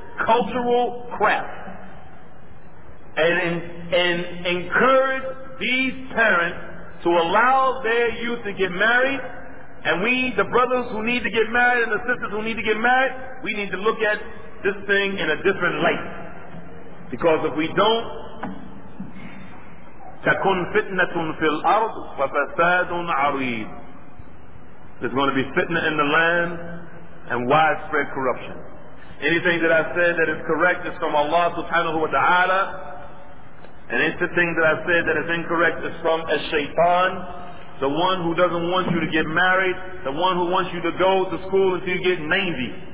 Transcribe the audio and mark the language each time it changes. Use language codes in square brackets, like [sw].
[en] Cultural crap. And encourage these parents to allow their youth to get married. And we, the brothers who need to get married and the sisters who need to get married, we need to look at this thing in a different light. Because if we don't, [ar] تَكُنْ فِتْنَةٌ فِي الْأَرْضِ وَفَسَادٌ عَرِيدٌ. [en] There's going to be fitna in the land and widespread corruption. Anything that I said that is correct is from Allah subhanahu wa ta'ala. And anything that I said that is incorrect is from al-shaytan, the one who doesn't want you to get married, the one who wants you to go to school until you get 90.